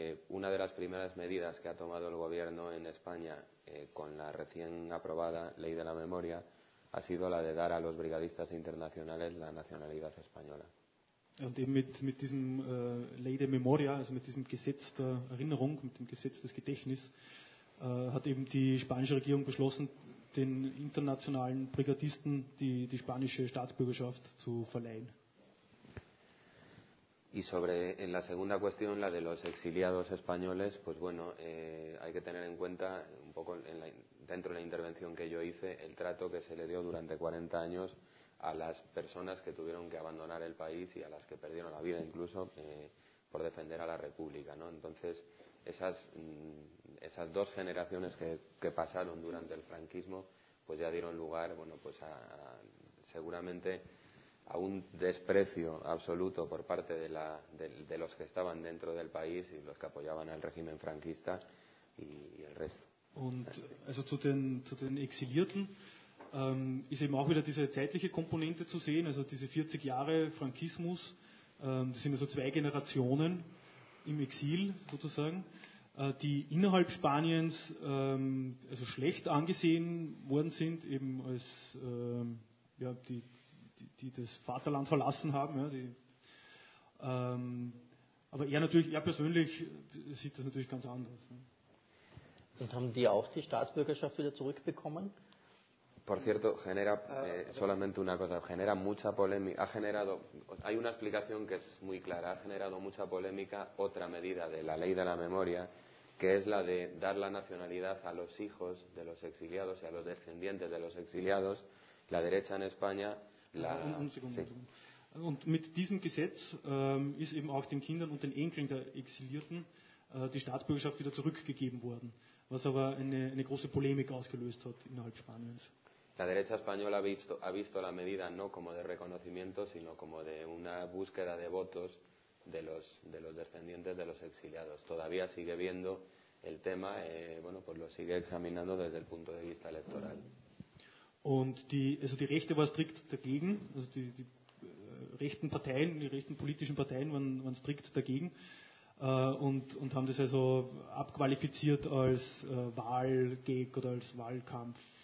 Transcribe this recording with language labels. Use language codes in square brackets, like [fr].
[es] Una de las primeras medidas que ha tomado el gobierno en España con la recién aprobada Ley de la Memoria ha sido la de dar a los brigadistas internacionales la nacionalidad española. [de] Und eben mit diesem Ley de Memoria, also mit diesem Gesetz der Erinnerung, mit dem Gesetz des Gedächtnis, hat eben die spanische Regierung beschlossen, den internationalen Brigadisten die spanische Staatsbürgerschaft zu verleihen. [es] Y sobre en la segunda cuestión, la de los exiliados españoles, pues bueno, hay que tener en cuenta, un poco dentro de la intervención que yo hice, el trato que se le dio durante 40 años a las personas que tuvieron que abandonar el país y a las que perdieron la vida incluso por defender a la República, ¿no? Entonces, esas dos generaciones que pasaron durante el franquismo, pues ya dieron lugar, bueno, pues seguramente a un desprecio absoluto por parte de los que estaban dentro del país y los que apoyaban al régimen franquista y el resto. [de] Und also zu den Exilierten ist eben auch wieder diese zeitliche Komponente zu sehen, also diese 40 Jahre Frankismus, das sind also zwei Generationen im Exil sozusagen, die innerhalb Spaniens also schlecht angesehen worden sind, eben als die das Vaterland verlassen haben. Ja, aber er persönlich sieht das natürlich ganz anders. Ne? Und haben die auch die Staatsbürgerschaft wieder zurückbekommen? [es] Por cierto, genera solamente una cosa, genera mucha polémica, ha generado, hay una explicación que es muy clara, ha generado mucha polémica otra medida de la ley de la memoria, que es la de dar la nacionalidad a los hijos de los exiliados y a los descendientes de los exiliados, la derecha en España, la... [de] Und mit diesem Gesetz ist eben auch den Kindern und den Enkeln der Exilierten die Staatsbürgerschaft wieder zurückgegeben worden, was aber eine große Polemik ausgelöst hat innerhalb Spaniens. [es] La derecha española ha visto la medida no como de reconocimiento, sino como de una búsqueda de votos de los descendientes de los exiliados. Todavía sigue viendo el tema, pues lo sigue examinando desde el punto de vista electoral. [de] Und die Rechte war strikt dagegen, also die rechten Parteien, die rechten politischen Parteien waren strikt dagegen und haben das also abqualifiziert als Wahlgag oder als Wahlkampf.